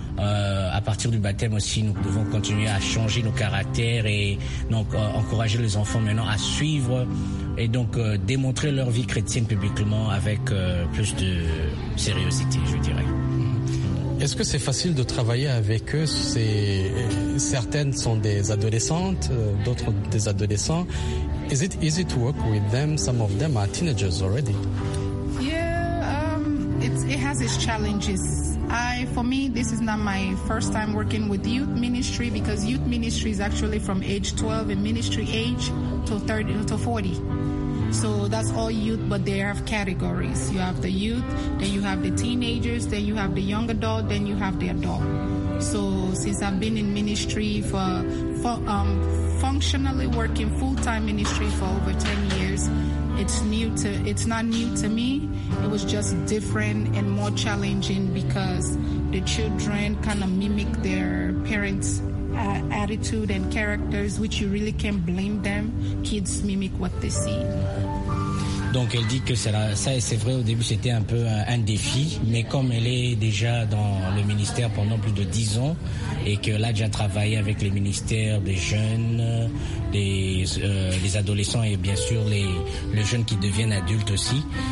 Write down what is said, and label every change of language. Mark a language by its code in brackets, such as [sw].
[fr] À partir du baptême aussi, nous pouvons continuer à changer nos caractères et donc encourager les enfants maintenant à suivre et donc démontrer leur vie chrétienne publiquement avec plus de sérieuxité, je dirais. Est-ce que c'est facile de travailler avec eux? Certaines sont des adolescentes, d'autres des adolescents. [en] Is it easy to work with them? Some of them are teenagers already. Yeah, it has its challenges. For me, this is not my first time working with youth ministry because youth ministry is actually from age 12 in ministry age to 30 to 40. So that's all youth, but they have categories. You have the youth, then you have the teenagers, then you have the young adult, then you have the adult. So since I've been in ministry for functionally working full-time ministry for over 10 years, it's not new to me. It was just different and more challenging because the children kind of mimic their parents' attitude and characters, which you really can't blame them. Kids mimic what they see. [fr] Donc elle dit que ça c'est vrai, au début c'était un peu un défi, mais comme elle est déjà dans le ministère pendant plus de 10 ans et qu'elle a déjà travaillé avec les ministères des jeunes, des adolescents et bien sûr les jeunes qui deviennent adultes aussi.